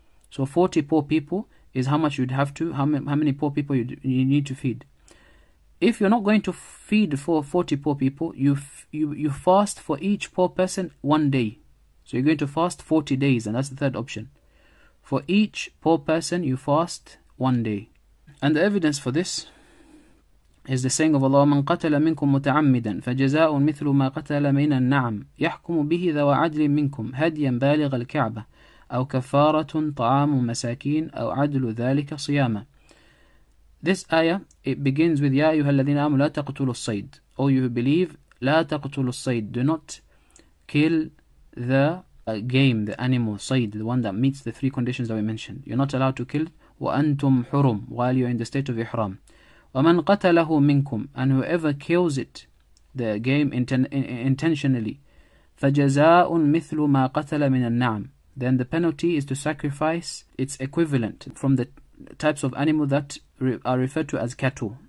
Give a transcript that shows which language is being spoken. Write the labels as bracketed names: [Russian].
[English] So 40 poor people is how much you'd have to, how many poor people you need to feed. If you're not going to feed for 40 poor people, you fast for each poor person one day. So you're going to fast 40 days, and that's the third option. For each poor person, you fast one day. And the evidence for this is the saying of Allah, [Arabic] من قتل منكم متعمدا فجزاء مثل ما قتل من النعم يحكم به ذو عدل منكم هديا بالغ الكعبة أو كفارة طعام مساكين أو عدل ذلك صياما. [English] This ayah, it begins with, [Arabic] يا أيها الذين آمنوا لا تقتلوا الصيد. [English] O you who believe, [Arabic] لا تقتلوا الصيد. [English] Do not kill the game, the animal, صيد, the one that meets the three conditions that we mentioned. You're not allowed to kill. [Arabic] وأنتم حرم, [English] while you're in the state of ihram. [Arabic] وَمَنْ قَتَلَهُ مِنْكُمْ, [English] and whoever kills it, the game, intentionally, [Arabic] فَجَزَاءٌ مِثْلُ مَا قَتَلَ مِنَ النَّعْمِ, [English] then the penalty is to sacrifice its equivalent from the types of animal that are referred to as cattle.